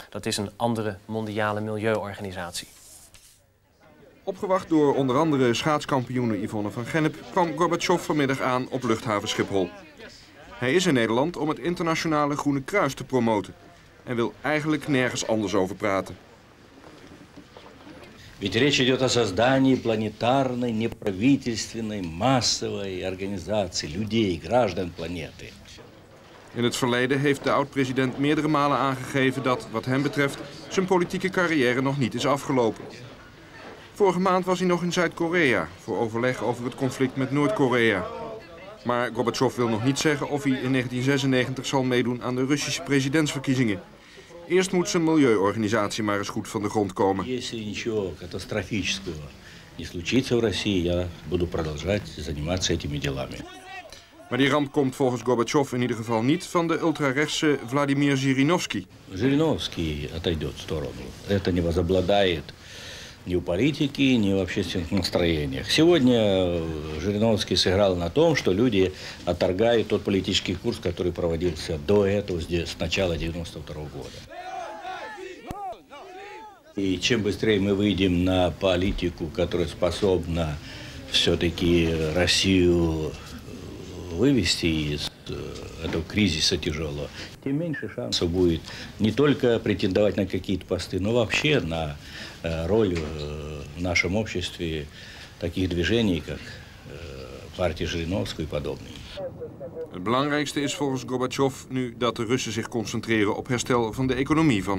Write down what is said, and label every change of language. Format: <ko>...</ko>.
<nl>Dat is een andere mondiale milieuorganisatie. Opgewacht door onder andere schaatskampioene Yvonne van Gennep, kwam Gorbachev vanmiddag aan op luchthaven Schiphol. Hij is in Nederland om het Internationale Groene Kruis te promoten en wil eigenlijk nergens anders over praten.</nl> <ru>Ведь речь идет о создании планетарной, неправительственной, массовой организации людей, граждан планеты.</ru> <nl>In het verleden heeft de oud-president meerdere malen aangegeven dat, wat hem betreft, zijn politieke carrière nog niet is afgelopen. Vorige maand was hij nog in Zuid-Korea voor overleg over het conflict met Noord-Korea. Maar Gorbachev wil nog niet zeggen of hij in 1996 zal meedoen aan de Russische presidentsverkiezingen. Eerst moet zijn milieuorganisatie maar eens goed van de grond komen. Als er niets catastrofisch gebeurt in Rusland, zal ik blijven deze dingen. Maar die ramp komt volgens Gorbachev in ieder geval niet van de ultrarechtse Vladimir Zhirinovsky.</nl> <ru>Zhirinovsky отойдет в сторону. Это не возобладает. Ни в политике, ни в общественных настроениях. Сегодня Жириновский сыграл на том, что люди отторгают тот политический курс, который проводился до этого, с начала 92 года. И чем быстрее мы выйдем на политику, которая способна все-таки Россию вывести из этого кризиса тяжелого, тем меньше шансов будет не только претендовать на какие-то посты, но вообще на роль в нашем обществе таких движений, как партия Жириновского и подобные.</ru> <nl>Het belangrijkste is volgens Gorbachev nu dat de Russen zich concentreren op herstel van de economie van hun.</nl>